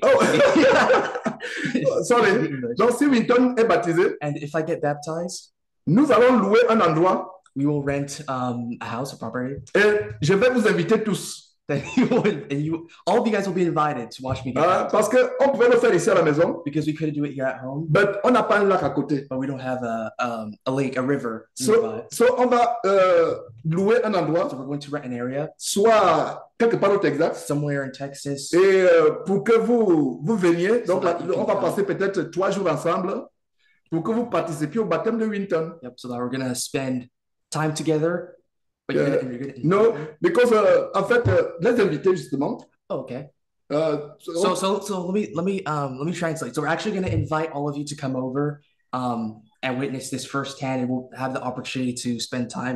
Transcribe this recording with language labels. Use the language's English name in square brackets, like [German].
[English] Oh, sorry. [French] Donc, si Winton est baptisé... [English] And if I get baptized... [French] Nous allons louer un endroit. [English] We will rent a house, a property. [French] Et je vais vous inviter tous. [English] All of you guys will be invited to watch me get baptized. [French] Parce qu'on pouvait le faire ici à la maison. [English] Because we couldn't do it here at home. [French] But on n'a pas un lac à côté. [English] But we don't have a lake, a river. [French] So on va louer un endroit. [English] So we're going to rent an area. [French] Soit quelque part au Texas. [English] Somewhere in Texas. [French] Et pour que vous veniez. So donc on va passer peut-être 3 jours ensemble pour que vous participiez au baptême de Winton. [English] Yep, so that we're going to spend time together. No, because [French] en fait, [English] let's invite justement. Oh, okay. Let me translate. So we're actually going to invite all of you to come over and witness this firsthand, and we'll have the opportunity to spend time.